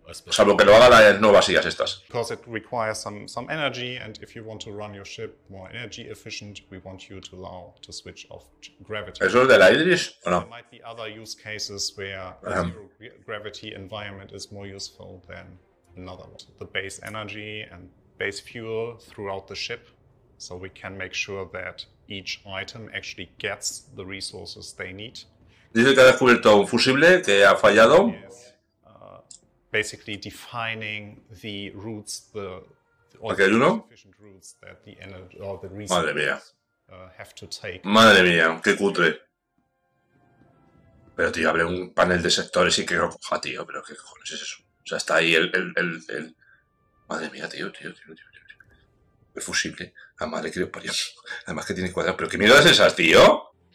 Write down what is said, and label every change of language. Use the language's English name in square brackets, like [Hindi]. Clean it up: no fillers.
[Spanish] Salvo que lo haga las nuevas IAs estas. [English] Because it requires some energy, and if you want to run your ship more energy efficient, we want you to allow to switch off gravity. [Spanish] ¿Eso es de la Idris o no? [English] There might be other use cases where a zero gravity environment is more useful than another one. The base energy and base fuel throughout the ship, so we can make sure that each item actually gets the resources they need. [Spanish] Dice que ha descubierto un fusible que ha fallado. [English] Basically defining the routes, the efficient routes that the energy or the resources have to take. [Spanish] Madre mía, qué cutre. Pero tío, abre un panel de sectores y que lo coja, tío, pero qué cojones es eso. O sea, está ahí el... Madre mía, tío. Es fusible. La madre que lo parió. Además que tiene cuadrado. ¿Pero qué mierda es esa, tío?